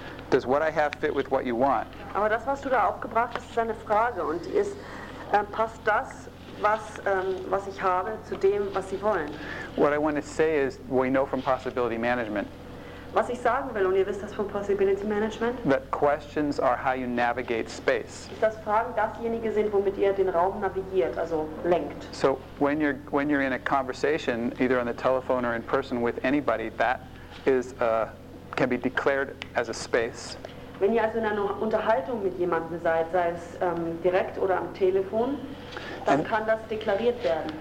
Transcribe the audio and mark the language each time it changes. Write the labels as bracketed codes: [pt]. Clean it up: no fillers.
[en] Does what I have fit with what you want? [de] Aber das, was du da aufgebracht hast, ist eine Frage und die ist passt das, was ich habe, zu dem, was sie wollen? [en] What I want to say is, we know from possibility management. [de] Was ich sagen will, und ihr wisst das vom Possibility Management, [en] that questions are how you navigate space. [de] Dass Fragen dasjenige sind, womit ihr den Raum navigiert, also lenkt. [en] So when you're in a conversation, either on the telephone or in person with anybody, that is can be declared as a space. [de] Wenn ihr also in einer Unterhaltung mit jemandem seid, sei es direkt oder am Telefon, dann kann das deklariert werden.